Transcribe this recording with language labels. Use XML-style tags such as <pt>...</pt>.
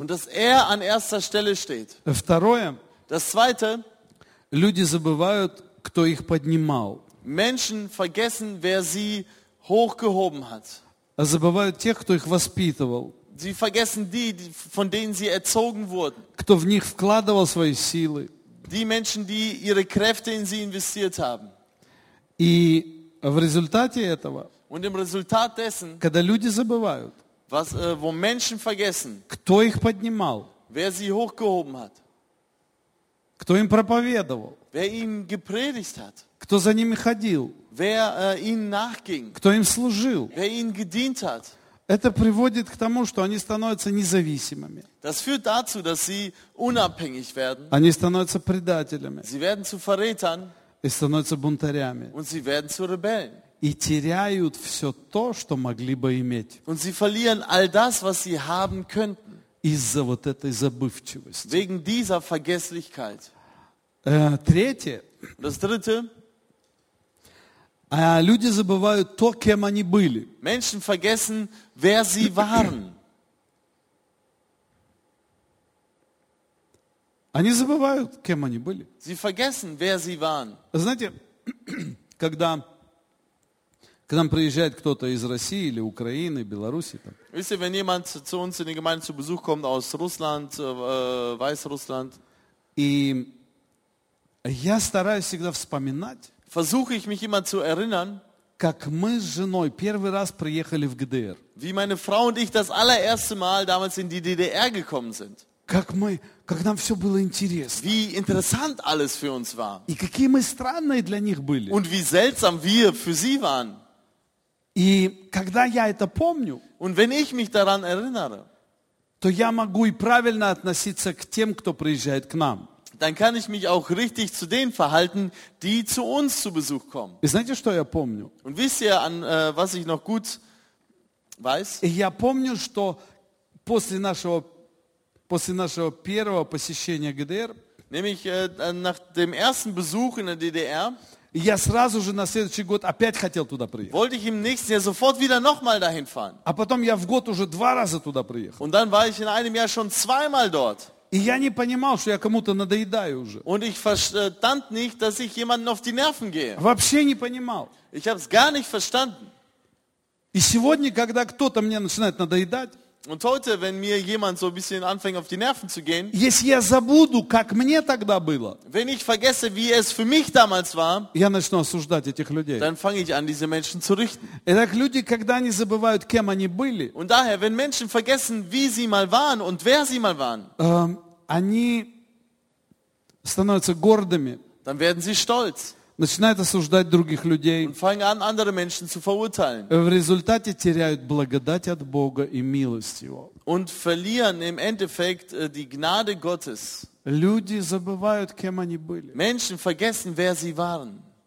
<de>Und dass er an erster Stelle steht.</de> <ru>Второе.</ru> <de>Das zweite.</de> <ru>Люди забывают, кто их поднимал.</ru> <de>Menschen vergessen, wer sie hochgehoben hat.</de> <ru>Забывают тех, кто их воспитывал.</ru> <de>Sie vergessen die, von denen sie erzogen wurden.</de> <ru>Кто в них вкладывал свои силы.</ru> <de>Die Menschen, die ihre Kräfte in sie investiert haben.</de> <ru>И в результате этого,</ru> <de>und im Resultat dessen,</de> <ru>когда люди забывают,</ru> <de>was, wo Menschen vergessen,</de> <ru>кто их поднимал,</ru> <de>wer sie hochgehoben hat,</de> <ru>кто им проповедовал,</ru> <de>wer ihm gepredigt hat,</de> <ru>кто за ними ходил,</ru> <de>wer ihnen nachging,</de> <ru>кто им служил,</ru> <de>wer ihnen gedient hat,</de> <ru>это приводит к тому, что они становятся независимыми.</ru> <de>Das führt dazu, dass sie unabhängig werden.</de> <ru>Они становятся предателями.</ru> <de>Sie werden zu Verrätern.</de> <ru>И становятся бунтарями.</ru> <de>Und sie werden zu Rebellen.</de> <ru>И теряют все то, что могли бы иметь.</ru> <de>Und sie verlieren all das, was sie haben könnten.</de> <ru>Из-за вот этой забывчивости.</ru> <de>Wegen dieser Vergesslichkeit.</de> <ru>Третье.</ru> <de>Das dritte.</de> <ru>А люди забывают то, кем они были.</ru> <de>Menschen vergessen, wer sie waren.</de> <ru>Они забывают, кем они были.</ru> <de>Sie vergessen, wer sie waren.</de> <ru>Знаете, когда к нам приезжает кто-то из России или Украины, Беларуси, там.</ru> <de>Wisst ihr, wenn jemand zu uns in die Gemeinde zu Besuch kommt aus Russland, Weißrussland.</de> <ru>И я стараюсь всегда вспоминать.</ru> <de>Versuche ich mich immer zu erinnern,</de> <ru>как мы с женой первый раз приехали в ГДР.</ru> <de>Wie meine Frau und ich das allererste Mal damals in die DDR gekommen sind.</de> <ru>Как мы, как нам все было интересно.</ru> <de>Wie interessant alles für uns war.</de> <ru>И какие мы странные для них были.</ru> <de>Und wie seltsam wir für sie waren.</de> <ru>И когда я это помню,</ru> <de>und wenn ich mich daran erinnere,</de> <ru>то я могу и правильно относиться к тем, кто приезжает к нам.</ru> <de>Dann kann ich mich auch richtig zu denen verhalten, die zu uns zu Besuch kommen.</de> <ru>И знаете, что я помню?</ru> <de>Und wisst ihr, an was ich noch gut weiß?</de> <ru>И я помню, что после нашего первого посещения ГДР,</ru> <de>nämlich nach dem ersten Besuch in der DDR,</de> <ru>я сразу же на следующий год опять хотел туда приехать.</ru> <de>Wollte ich im nächsten Jahr sofort wieder nochmal dahin fahren.</de> <ru>А потом я в год уже два раза туда приехал.</ru> <de>Und dann war ich in einem Jahr schon zweimal dort.</de> <ru>И я не понимал, что я кому-то надоедаю уже.</ru> <de>Und ich verstand nicht, dass ich jemanden auf die Nerven gehe.</de> <ru>Вообще не понимал.</ru> <de>Ich habe es gar nicht verstanden.</de> <ru>И сегодня, когда кто-то мне начинает надоедать,</ru> <de>und heute, wenn mir jemand so ein bisschen anfängt, auf die Nerven zu gehen,</de> <ru>если я забуду, как мне тогда было,</ru> <de>wenn ich vergesse, wie es für mich damals war,</de> <ru>я начну осуждать этих людей.</ru> <de>Dann fange ich an, diese Menschen zu richten.</de> <ru>Итак, люди, когда они забывают, кем они были,</ru> <de>und daher, wenn Menschen vergessen, wie sie mal waren und wer sie mal waren,</de> <ru>они становятся гордыми,</ru> <de>dann werden sie stolz.</de> <ru>Начинают осуждать других людей.</ru> <de>Und fangen an, andere Menschen zu verurteilen.</de> <ru>В результате теряют благодать от Бога и милость Его.</ru> <de>Und verlieren im Endeffekt die Gnade Gottes.</de> <ru>Люди забывают, кем они были.</ru> <de>Menschen vergessen, wer sie waren.</de>